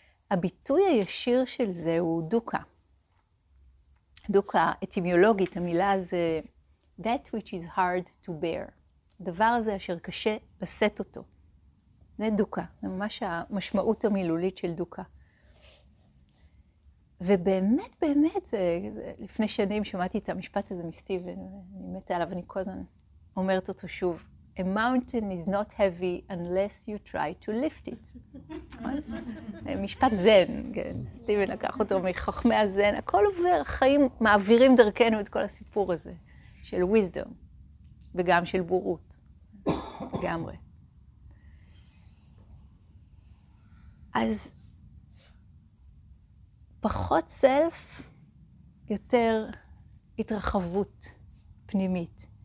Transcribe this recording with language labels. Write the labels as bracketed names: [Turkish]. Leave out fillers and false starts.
[Hebrew] הביטוי הישיר של זה הוא דוקה. דוקה אטימולוגית, המילה זה [English] That which is hard to bear. [Hebrew] הדבר הזה אשר קשה לשאת אותו. זה דוקה, זה ממש המשמעות המילולית של דוקה. ובאמת, באמת, לפני שנים שמעתי את המשפט הזה מסטיבן, אני מתה עליו, אני כל הזמן אומרת אותו שוב. [English] A mountain is not heavy unless you try to lift it. [Hebrew] משפט זן, כן. סטיבן לקח אותו מחכמי הזן. הכל עובר, החיים מעבירים דרכנו את כל הסיפור הזה של wisdom וגם של בורות. לגמרי. אז פחות סלף, יותר התרחבות פנימית.